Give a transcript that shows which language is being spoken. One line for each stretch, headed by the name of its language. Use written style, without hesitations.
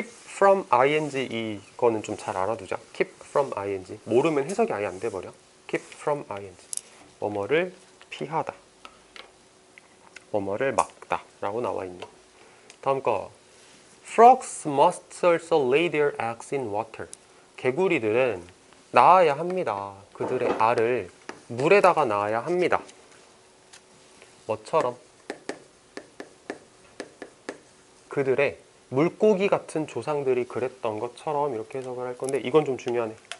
Korean: From ing 이거는 좀잘 알아두자. Keep from ing. 모르면 해석이 아예 안 돼버려. Keep from ing. 뭐뭐를 피하다. 뭐뭐를 막다라고 나와 있네. 다음 거.
English: Frogs must also lay their eggs in water.
Korean: 개구리들은 낳아야 합니다. 그들의 알을 물에다가 낳아야 합니다. 뭐처럼 그들의 물고기 같은 조상들이 그랬던 것처럼 이렇게 해석을 할 건데, 이건 좀 중요하네.